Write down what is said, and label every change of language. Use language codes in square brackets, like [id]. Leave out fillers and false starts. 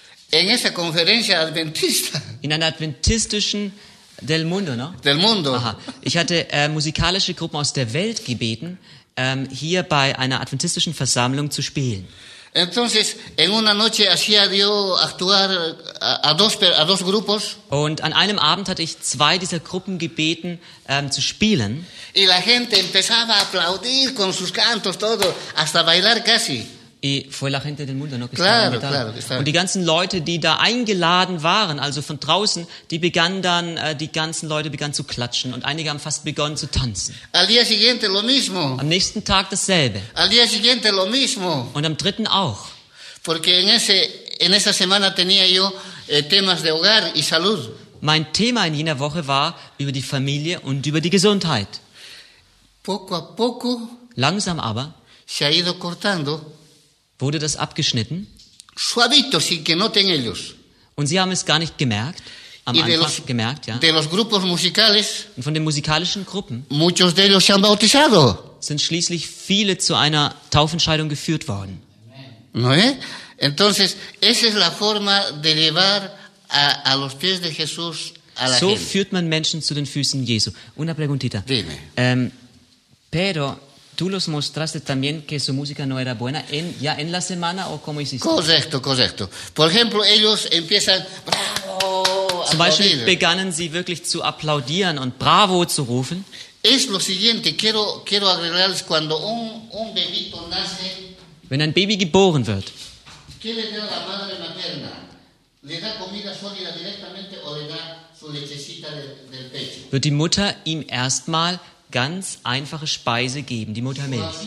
[es] En esa conferencia adventista. [de] In einer adventistischen Del Mundo, ne? [es] Del Mundo. Aha. [de] Ich hatte musikalische Gruppen aus der Welt gebeten, hier bei einer adventistischen Versammlung zu spielen. [es] Entonces, en una noche hacía yo actuar a dos grupos. [de] Und an einem Abend hatte ich zwei dieser Gruppen gebeten, zu spielen. [es] Y la gente empezaba a aplaudir con sus cantos todo, hasta bailar casi. Y fue la gente del mundo, ¿no? Que claro, claro, claro. [de] Und die ganzen Leute, die da eingeladen waren, also von draußen, die begannen dann, die ganzen Leute begannen zu klatschen und einige haben fast begonnen zu tanzen. [es] Al día siguiente, lo mismo. [de] Am nächsten Tag dasselbe. [es] Al día siguiente, lo mismo. [de] Und am dritten auch. [es] Porque en esa semana tenía yo temas de hogar y salud. [de] Mein Thema in jener Woche war über die Familie und über die Gesundheit. [es] Poco a poco, [de] langsam aber, [es] se ha ido cortando. [de] Wurde das abgeschnitten? [es] Suavito, sin que noten ellos. [de] Und sie haben es gar nicht gemerkt, am Anfang gemerkt, ja. [es] De los grupos musicales, [de] und von den musikalischen Gruppen [es] muchos de ellos se han bautizado. [de] Sind schließlich viele zu einer Taufentscheidung geführt worden. [es] No, eh? Entonces, esa es la forma de llevar a los pies de Jesús a la [de] gente. So führt man Menschen zu den Füßen Jesu. [es] Una preguntita. Dime. Pero tú los mostraste también que su música no era buena en, ya en la semana o cómo hiciste. Correcto, correcto. Por ejemplo, ellos empiezan bravo. [de] Zum Beispiel begannen sie wirklich zu applaudieren und bravo zu rufen. [es] Es lo siguiente, quiero agregarles cuando un bebito nace. [de] Wenn ein Baby geboren wird. [es] ¿Qué le da la madre materna? ¿Le da comida sólida directamente o le da su lechecita del pecho? [de] Wird die Mutter ihm erstmal ganz einfache Speise geben, die Muttermilch.